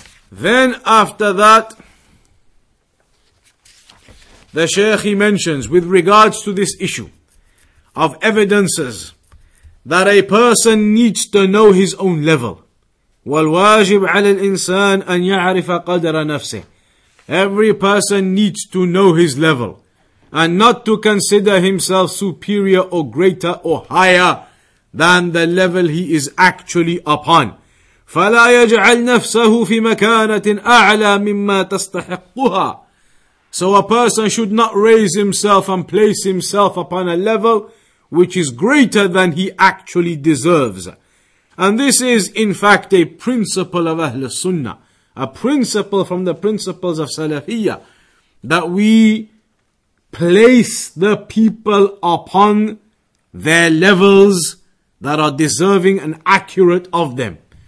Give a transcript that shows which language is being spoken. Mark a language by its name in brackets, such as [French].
[English] Then after that, the Shaykh, he mentions, with regards to this issue of evidences, that a person needs to know his own level. [Arabic] والواجب على الإنسان أن يعرف قدر نفسه. [English] Every person needs to know his level and not to consider himself superior or greater or higher than the level he is actually upon. [Arabic] فلا يجعل نفسه في مكانة أعلى مما تستحقها. [English] So a person should not raise himself and place himself upon a level which is greater than he actually deserves. And this is, in fact, a principle of Ahl Sunnah, a principle from the principles of Salafiyya, that we place the people upon their levels that are deserving and accurate of them.